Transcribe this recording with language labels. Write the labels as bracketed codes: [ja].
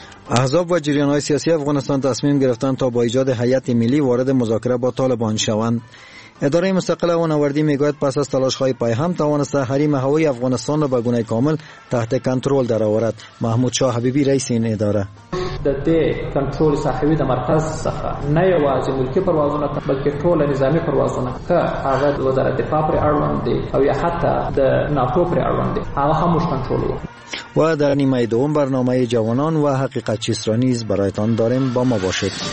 [fa] احزاب و جریان‌های سیاسی افغانستان تصمیم گرفتند تا با ایجاد هیئت ملی وارد مذاکره با طالبان شوند. اداره مستقل هوانوردی میگوید پس از تلاش‌های پیهم توانسته حریم هوایی افغانستان را به گونه کامل تحت کنترل درآورد. محمود شاه حبیبی رئیس این اداره: [ps] د دې کنټرول صاحب د مرکز څخه نه یوازې ملکی پروازونه بلکې ټول نظامی پروازونه که هغه د وزارت دفاع پر اړوند دي او یا حتی د ناتو پر اړوند دي هغه هم کنټرول وو. [fa] و در نیمه دوم برنامه جوانان و حقیقت چیست نیز برایتان داریم، با ما باشید.